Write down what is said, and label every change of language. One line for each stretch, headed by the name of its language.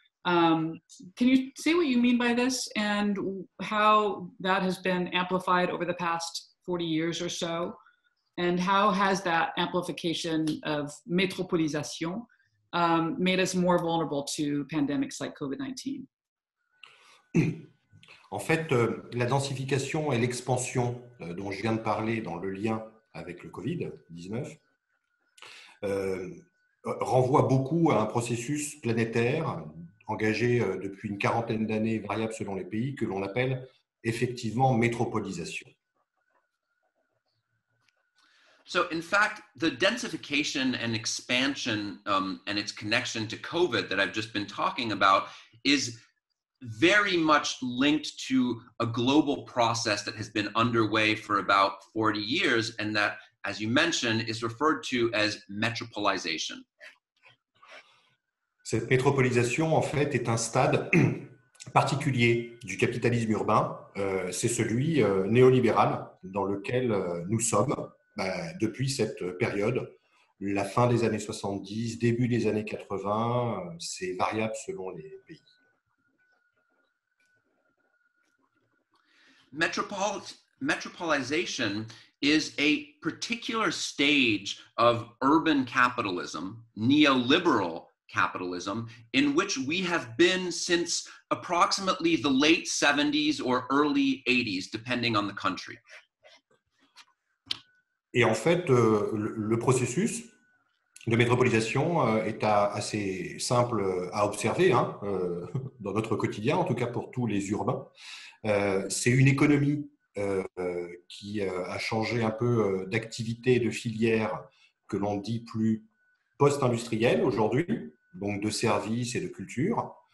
English: Can you say what you mean by this and how that has been amplified over the past 40 years or so? And how has that amplification of métropolisation made us more vulnerable to pandemics like COVID-19?
French: En fait, la densification et l'expansion dont je viens de parler dans le lien avec le COVID-19 renvoie beaucoup à un processus planétaire engagé depuis une quarantaine d'années, variable selon les pays, que l'on appelle effectivement métropolisation.
English: So in fact, the densification and expansion and its connection to COVID that I've just been talking about is very much linked to a global process that has been underway for about 40 years and that, as you mentioned, is referred to as metropolisation.
French: Cette métropolisation, en fait, est un stade particulier du capitalisme urbain. C'est celui néolibéral dans lequel nous sommes. Depuis cette période, la fin des années 70, début des années 80, c'est variable selon les pays.
English: Metropolisation is a particular stage of urban capitalism, neoliberal capitalism, in which we have been since approximately the late 70s or early 80s, depending on the country.
French: Et en fait, le processus de métropolisation est assez simple à observer, hein, dans notre quotidien, en tout cas pour tous les urbains. C'est une économie qui a changé un peu d'activité, de filière que l'on dit plus post-industrielle aujourd'hui, donc de services et de culture.